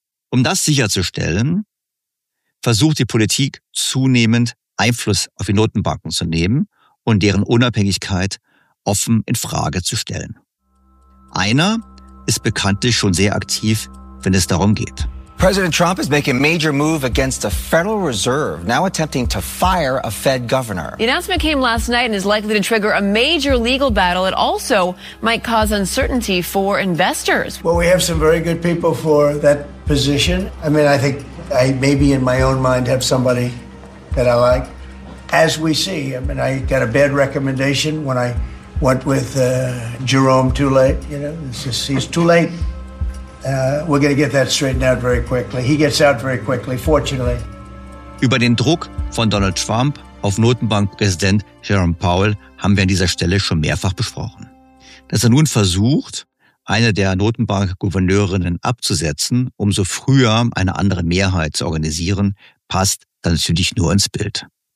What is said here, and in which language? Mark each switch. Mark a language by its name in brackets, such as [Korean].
[German] Um das sicherzustellen, versucht die Politik zunehmend Einfluss auf die Notenbanken zu nehmen und deren Unabhängigkeit offen in Frage zu stellen. Einer ist bekanntlich schon sehr aktiv, wenn es darum geht. [English] President Trump is making a major move against the Federal Reserve, now attempting to fire a Fed governor. The announcement came last night and is likely to trigger a major legal battle. It also might cause uncertainty for investors. Well, we have some very good people for that position. I mean, I think I maybe in my own mind have somebody that I like. As we see, I mean, I got a bad recommendation when I went with Jerome too late. You know, he's too late. We're going to get that straightened out very quickly. He gets out very quickly, fortunately. [German] Über den Druck von Donald Trump auf Notenbankpräsident Jerome Powell haben wir an dieser Stelle schon mehrfach besprochen. Dass er nun versucht, eine der Notenbankgouverneurinnen abzusetzen, um so früher eine andere Mehrheit zu organisieren, passt dann natürlich nur ins Bild.